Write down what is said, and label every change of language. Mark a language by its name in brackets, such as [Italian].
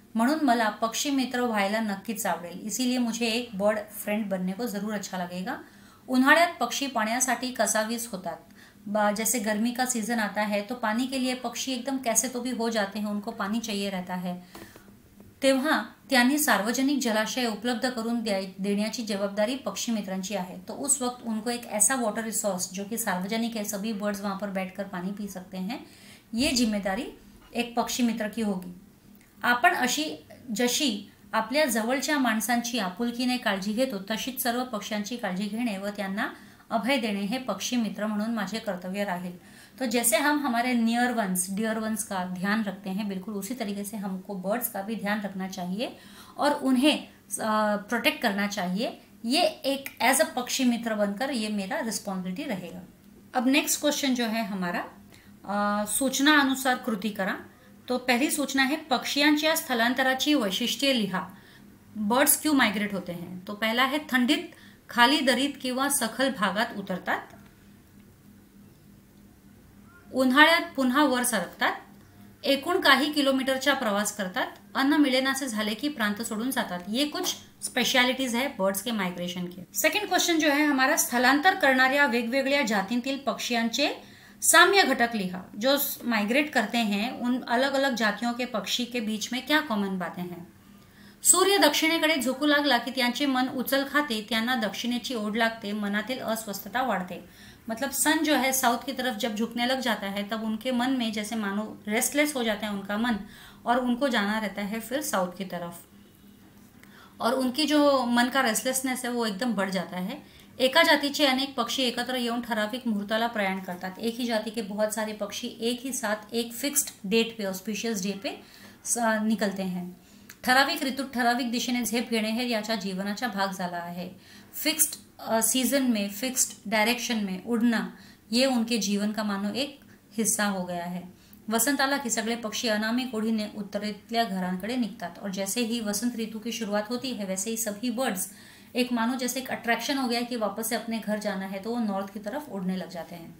[Marathi] म्हणून मला पक्षी मित्र व्हायला नक्कीच आवडेल, [Hindi] इसीलिए मुझे एक बर्ड फ्रेंड बनने को जरूर अच्छा लगेगा। [Marathi] उन्हाळ्यात पक्षी पाण्यासाठी कसावीस होतात, [Hindi] जैसे गर्मी का सीजन आता है तो पानी के लिए पक्षी एकदम कैसे तो भी हो जाते हैं, उनको पानी चाहिए रहता है। [Marathi] तेव्हा त्यांनी सार्वजनिक जलाशय उपलब्ध करून देण्याची जबाबदारी पक्षी मित्रांची आहे, [Hindi] तो उस वक्त उनको एक ऐसा वॉटर रिसोर्स जो कि सार्वजनिक है, सभी बर्ड्स वहां पर बैठकर पानी पी सकते हैं, ये जिम्मेदारी एक पक्षी मित्र की होगी। [Marathi] आपण अशी जशी आपल्या जवळच्या माणसांची आपुलकीने काळजी घेतो तशीच सर्व पक्ष्यांची काळजी घेणे व त्यांना अभय देणे हे पक्षी मित्र म्हणून माझे कर्तव्य राहील। [Hindi] तो जैसे हम हमारे नियर वंस डियर वंस का ध्यान रखते हैं, बिल्कुल उसी तरीके से हमको बर्ड्स का भी ध्यान रखना चाहिए और उन्हें प्रोटेक्ट करना चाहिए। ये एक एज अ पक्षी मित्र बनकर ये मेरा रिस्पॉन्सिबिलिटी रहेगा। अब नेक्स्ट क्वेश्चन जो है हमारा, सूचना अनुसार कृति करा। तो पहली सूचना है [Marathi] पक्षियांच्या स्थलांतराची वैशिष्ट्ये लिहा, [Hindi] बर्ड्स क्यों माइग्रेट होते हैं। [Marathi] तो पहला है थंडित खाली दरीत किंवा सखल भागात उतरतात, उन्हाळ्यात पुन्हा वर सरकतात, एकूण काही किलोमीटरचा प्रवास करतात, अन्न मिळेनासे झाले की प्रांत सोडून जातात। [Hindi] ये कुछ स्पेशालिटीज है बर्ड्स के माइग्रेशन के। सेकंड क्वेश्चन जो है हमारा, [Marathi] स्थलांतर करणाऱ्या वेगवेगळ्या जातींतील पक्ष्यांचे साम्य घटक लिहा, [Hindi] जो माइग्रेट करते हैं उन अलग अलग जातियों के पक्षी के बीच में क्या कॉमन बातें हैं। [Marathi] सूर्य दक्षिणेकडे झुकू लागला की त्यांचे मन उचल खाते, त्यांना दक्षिणेची ओढ लागते, मनातील अस्वस्थता वाढते। [Hindi] मतलब सन जो है साउथ की तरफ जब झुकने लग जाता है तब उनके मन में जैसे मानो रेस्टलेस हो जाता है उनका मन, और उनको जाना रहता है फिर साउथ की तरफ, और उनकी जो मन का रेस्टलेसनेस है वो एकदम बढ़ जाता है। [Marathi] एका जातीचे अनेक पक्षी एकत्र येऊन ठराविक मुहूर्ताला प्रयाण करतात, [Hindi] एक ही जाती के बहुत सारे पक्षी एक ही साथ एक फिक्स्ड डेट पे ऑस्पिशियस डे पे निकलते हैं। [Marathi] ठराविक ऋतु ठराविक दिशेने झेप घेणे हे याच्या जीवनाचा भाग झाला आहे। [Hindi] फिक्स्ड सीजन में फिक्स्ड डायरेक्शन में उड़ना ये उनके जीवन का मानो एक हिस्सा हो गया है। [Marathi] वसंताला की सगळे पक्षी अनामिक ओढीने उत्तरेतल्या घरांकडे निघतात, [Hindi] और जैसे ही वसंत ऋतु की शुरुआत होती है वैसे ही सभी बर्ड्स एक मानो जैसे एक अट्रैक्शन हो गया है कि वापस से अपने घर जाना है, तो वो नॉर्थ की तरफ उड़ने लग जाते हैं।